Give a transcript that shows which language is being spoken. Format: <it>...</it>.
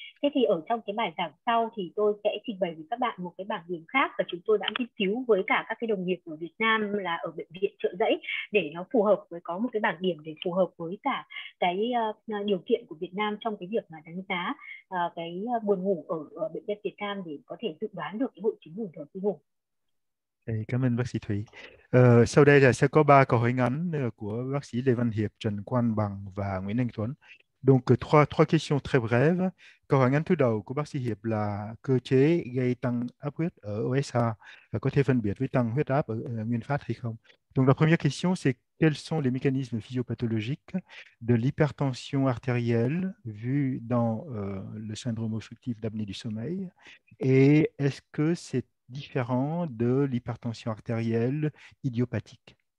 <vi>Thế thì ở trong cái bài giảng sau thì tôi sẽ trình bày với các bạn một cái bảng điểm khác và chúng tôi đã nghiên cứu với cả các cái đồng nghiệp ở Việt Nam là ở bệnh viện Chợ Giấy để nó phù hợp với có một cái bảng điểm để phù hợp với cả cái điều kiện của Việt Nam trong cái việc mà đánh giá cái buồn ngủ ở bệnh viện Việt Nam để có thể dự đoán được cái hội chứng buồn rầu khi ngủ. Cảm ơn bác sĩ Thủy. Sau đây là sẽ có ba câu hỏi ngắn của bác sĩ Lê Văn Hiệp, Trần Quang Bằng và Nguyễn Anh Tuấn.</vi> <fr>Donc, trois questions très brèves.</fr> <vi>Câu hỏi ngắn thứ đầu của bác sĩ Hiệp là cơ chế gây tăng áp huyết ở OSA và có thể phân biệt với tăng huyết áp ở nguyên phát hay không?</vi> <fr>Donc, la première question, c'est quels sont les mécanismes physiopathologiques de l'hypertension artérielle vue dans le syndrome obstructif d'apnée du sommeil? Et est-ce que c'est différent de l'hypertension artérielle idiopathique.</fr>